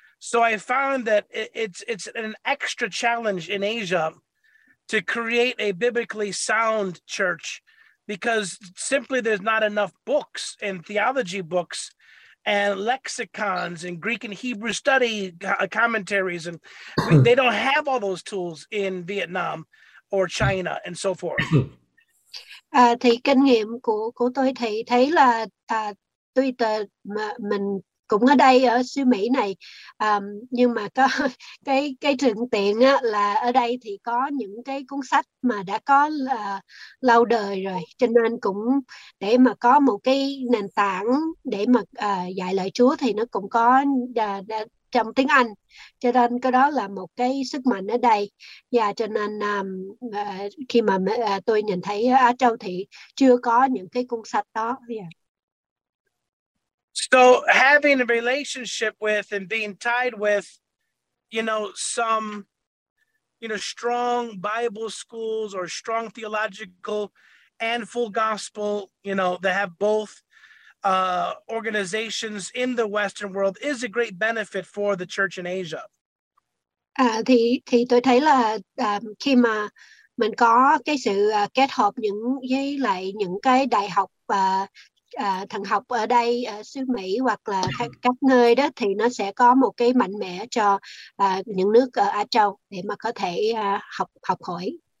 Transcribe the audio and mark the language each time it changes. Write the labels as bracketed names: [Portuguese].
[English] So I found that it's an extra challenge in Asia to create a biblically sound church because simply there's not enough books and theology books and lexicons and Greek and Hebrew study commentaries. And they don't have all those tools in Vietnam or China and so forth. [Vietnamese] Thì kinh nghiệm của tôi thì thấy là tôi mình cũng ở đây ở xứ Mỹ này nhưng mà có cái thuận tiện á, là ở đây thì có những cái cuốn sách mà đã có lâu đời rồi cho nên cũng để mà có một cái nền tảng để mà dạy lời Chúa thì nó cũng có trong tiếng Anh cho nên cái đó là một cái sức mạnh ở đây và cho nên khi mà tôi nhìn thấy ở Á Châu thì chưa có những cái cuốn sách đó. [English] Yeah. So having a relationship with and being tied with, you know, some, you know, strong Bible schools or strong theological and full gospel, you know, that have both organizations in the Western world is a great benefit for the church in Asia. [Vietnamese] Thì tôi thấy là khi mà mình có cái sự kết hợp những với lại những cái đại học thần học ở đây ở xứ Mỹ hoặc là các nơi đó thì nó sẽ có một cái mạnh mẽ cho những nước ở Á Châu để mà có thể học hỏi.